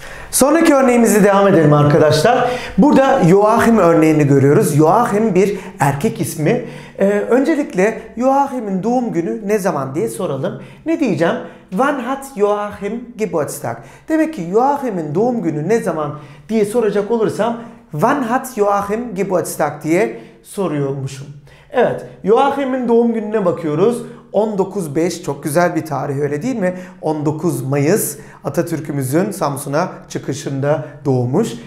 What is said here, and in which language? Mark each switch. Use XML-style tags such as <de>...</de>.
<tr>Sonraki örneğimizi devam edelim arkadaşlar. Burada Joachim örneğini görüyoruz. Joachim bir erkek ismi. Öncelikle Joachim'in doğum günü ne zaman diye soralım. Ne diyeceğim?</tr> <de>Wann hat Joachim Geburtstag?</de> <tr>Demek ki Joachim'in doğum günü ne zaman diye soracak olursam</tr> <de>Wann hat Joachim Geburtstag</de> <tr>diye soruyormuşum. Evet, Joachim'in doğum gününe bakıyoruz. 19.5 çok güzel bir tarih öyle değil mi? 19 Mayıs Atatürk'ümüzün Samsun'a çıkışında doğmuş.</tr>